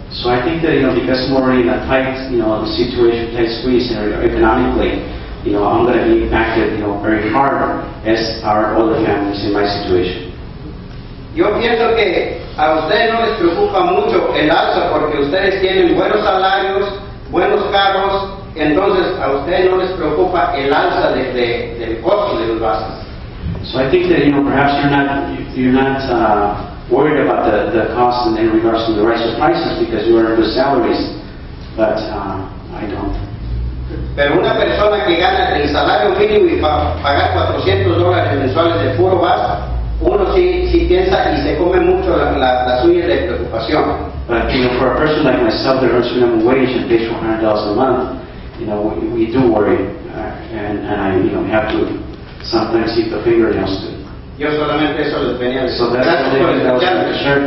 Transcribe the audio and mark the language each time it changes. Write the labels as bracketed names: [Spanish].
[English] So I think that, you know, because I'm already in a tight, you know, the situation, tight squeeze, and economically, you know, I'm going to be impacted, you know, very hard, as are all the families in my situation. [Spanish] Yo pienso que a ustedes no les preocupa mucho el alza porque ustedes tienen buenos salarios, buenos carros, entonces a ustedes no les preocupa el alza del costo de los gastos. [English] So I think that, you know, perhaps you're not worried about the cost in regards to the rise of prices because you earn good salaries, but I don't. [Spanish] Pero una persona que gana el salario mínimo y paga $400 mensuales de puro gas, uno sí piensa y se come mucho la suya de preocupación. [English] But, you know, for a person like myself that earns minimum wage and pays $100 a month, you know, we do worry, and I, you know, have to sometimes keep the finger down to. [Spanish] Yo solamente eso les venía. [English] So that's all that I was going to share.